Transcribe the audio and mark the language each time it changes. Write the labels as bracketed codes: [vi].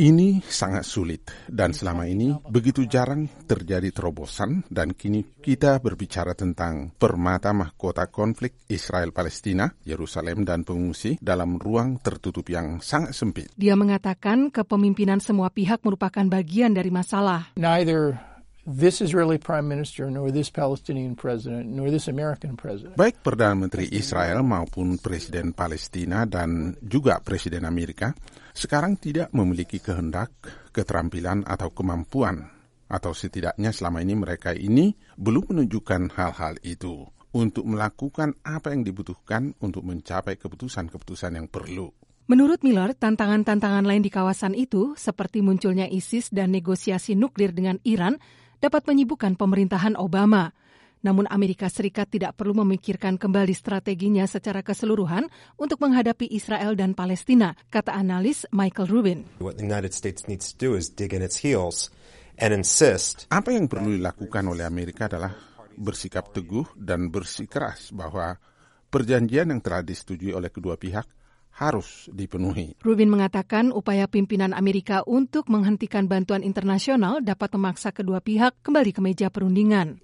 [id] Ini sangat sulit dan selama ini begitu jarang terjadi terobosan dan kini kita berbicara tentang permata mahkota konflik Israel-Palestina, Yerusalem dan pengungsi dalam ruang tertutup yang sangat sempit. Dia mengatakan kepemimpinan semua pihak merupakan bagian dari masalah. [en] Neither this Israeli Prime Minister, nor this Palestinian President, nor this American President. [id] Baik Perdana Menteri Israel maupun Presiden Palestina dan juga Presiden Amerika, sekarang tidak memiliki kehendak, keterampilan atau kemampuan, atau setidaknya selama ini mereka ini belum menunjukkan hal-hal itu, untuk melakukan apa yang dibutuhkan untuk mencapai keputusan-keputusan yang perlu. Menurut Miller, tantangan-tantangan lain di kawasan itu, seperti munculnya ISIS dan negosiasi nuklir dengan Iran, dapat menyibukkan pemerintahan Obama. Namun Amerika Serikat tidak perlu memikirkan kembali strateginya secara keseluruhan untuk menghadapi Israel dan Palestina, kata analis Michael Rubin. [en] What the United States needs to do is dig in its heels and insist. [id] Apa yang perlu dilakukan oleh Amerika adalah bersikap teguh dan bersikeras bahwa perjanjian yang telah disetujui oleh kedua pihak harus dipenuhi. Rubin mengatakan upaya pimpinan Amerika untuk menghentikan bantuan internasional dapat memaksa kedua pihak kembali ke meja perundingan.